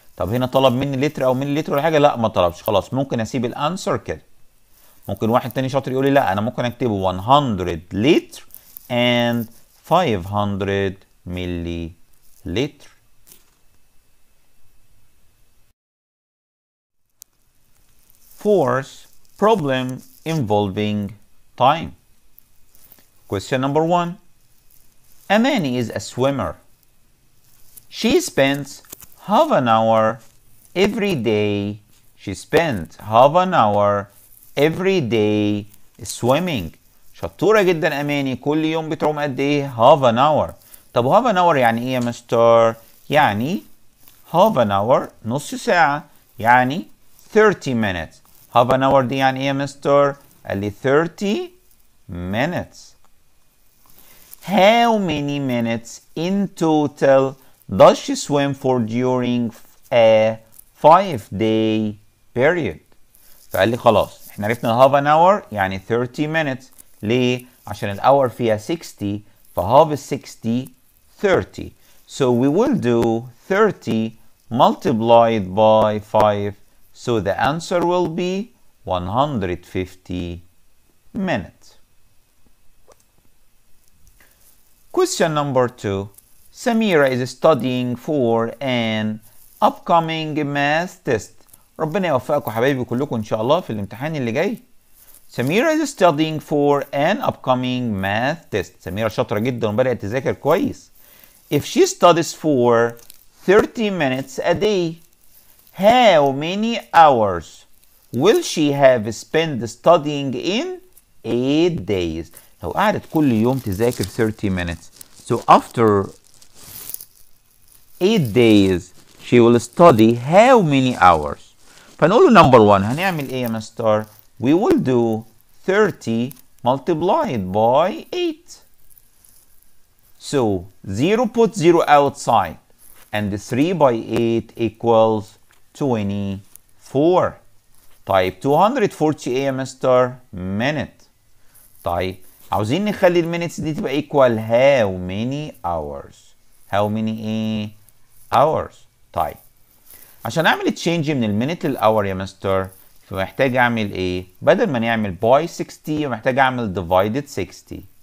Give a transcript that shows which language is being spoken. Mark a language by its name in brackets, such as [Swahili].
[Arabic] طب هنا طلب مني لتر او مليلتر ولا حاجه؟ لا ما طلبش، خلاص ممكن اسيب الانسر كده. ممكن واحد تاني شاطر يقول لي لا انا ممكن اكتبه 100 لتر [English] and 500 milliliter. Fourth problem involving time. Question number one. Amani is a swimmer. She spends half an hour every day. She spends half an hour every day swimming. [Arabic] شطورة جدا أماني، كل يوم بتعوم قد إيه؟ [English] half an hour. [Arabic] طب [English] half an hour [Arabic] يعني إيه يا مستر؟ يعني half an hour نص ساعة، يعني [English] 30 minutes. half an hour [Arabic] دي يعني إيه يا مستر؟ اللي [English] 30 minutes. How many minutes in total does she swim for during a 5-day period? [Arabic] فقال لي خلاص احنا عرفنا [English] half an hour [Arabic] يعني [English] 30 minutes. [Arabic] ليه؟ عشان ال hour فيها 60 ف half 60 30. [English] So we will do 30 multiplied by 5. So the answer will be 150 minutes. Question number 2. Samira is studying for an upcoming math test. [Arabic] ربنا يوفقكم حبايبي كلكم ان شاء الله في الامتحان اللي جاي. [English] Samira is studying for an upcoming math test. [Arabic] سميرة شاطرة جدا وبدأت تذاكر كويس. [English] If she studies for 30 minutes a day, how many hours will she have spent studying in 8 days? [Arabic] لو قعدت كل يوم تذاكر [English] 30 minutes. So after 8 days she will study how many hours? [Arabic] فنقول له number 1 هنعمل ايه يا مستر؟ [English] We will do 30 multiplied by 8. So 0 put 0 outside and 3 by 8 equals 24. [Arabic] طيب 240 يا مستر minute. طيب عاوزين نخلي المينتس دي تبقى [English] equal how many hours. How many hours. [Arabic] طيب عشان اعمل تشينج من المينت للاور يا مستر فمحتاج اعمل ايه؟ بدل ما نعمل by 60 محتاج اعمل divided 60.